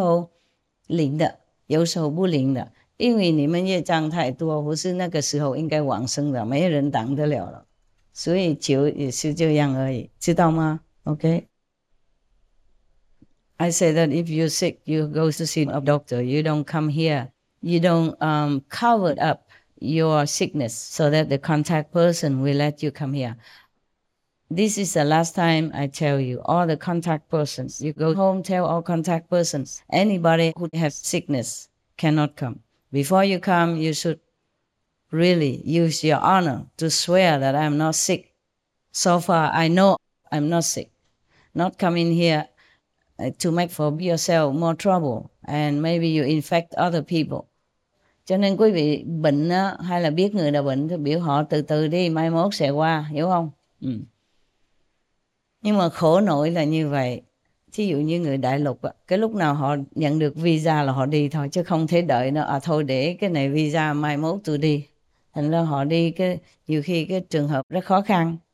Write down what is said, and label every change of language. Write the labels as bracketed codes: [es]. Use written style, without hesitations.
[zh] 不能，我自己生病我也早一生的，OK？何必嘛？了解吗？嗯，有时候打坐那个什么来不及就已经往生了，不是世界物质的地方是用物质的方法治疗，OK哈？真的没办法的时候才祈祷那个上天帮忙，了解吗？哎，有时候灵的，有时候不灵的。因为你们业障太多，不是那个时候应该往生的，没人挡得了了，所以求也是这样而已，知道吗 ？OK. [en] I say that if you're sick, you go to see a doctor. You don't come here. You don't cover up your sickness so that the contact person will let you come here. This is the last time I tell you, all the contact persons, you go home, tell all contact persons, anybody who has sickness cannot come. Before you come, you should really use your honor to swear that I'm not sick. So far, I know I'm not sick. Not come in here to make for yourself more trouble, and maybe you infect other people. [vi] Cho nên quý vị bệnh á, hay là biết người nào bệnh thì biểu họ từ từ đi, mai mốt sẽ qua, hiểu không? Ừ. Nhưng mà khổ nổi là như vậy. Thí dụ như người đại lục, cái lúc nào họ nhận được visa là họ đi thôi, chứ không thể đợi nữa. À thôi để cái này visa mai mốt tôi đi. Thành ra họ đi, cái nhiều khi cái trường hợp rất khó khăn.